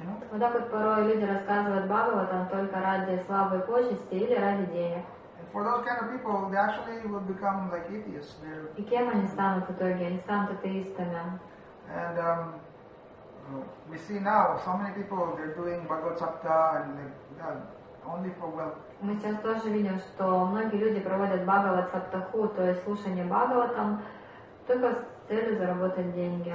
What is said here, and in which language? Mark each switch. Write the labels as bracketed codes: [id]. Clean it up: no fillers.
[ru] Вот так вот порой люди рассказывают Бхагаватам только ради славы и почести или ради денег. [en] For those kind of people, they actually will become like atheists. [ru] И кем они станут в итоге? Они станут атеистами. [en] And we see now so many people, they're doing Bhagavad Sapta and only for wealth. [ru] Мы сейчас тоже видим, что многие люди проводят Бхагавад Саптаху, то есть слушание Бхагаватам, только с целью заработать деньги.